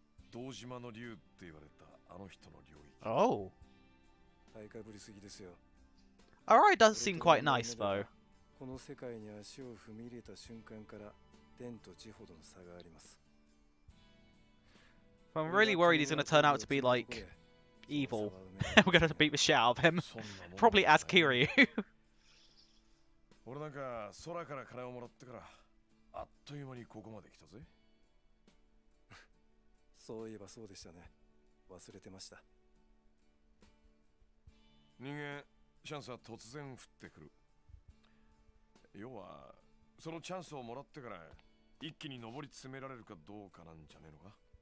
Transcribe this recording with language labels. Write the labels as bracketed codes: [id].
[ja] 堂島の竜って言われたあの人の領域。おお、買いかぶりすぎですよ。 [en] All right, does seem quite nice though。 [ja] この世界に足を踏み入れた瞬間から天と地ほどの差があります。 [en] I'm really worried he's gonna turn out to be like evil。 We're gonna beat the shit out of him。 Probably as Kiryu。 [ja] 俺なんか空から金をもらってからあっという間にここまで来たぜ。そういえばそうでしたね。忘れてました。人間、チャンスは突然降ってくる。要はそのチャンスをもらってから一気に上り詰められるかどうかなんじゃねえのか。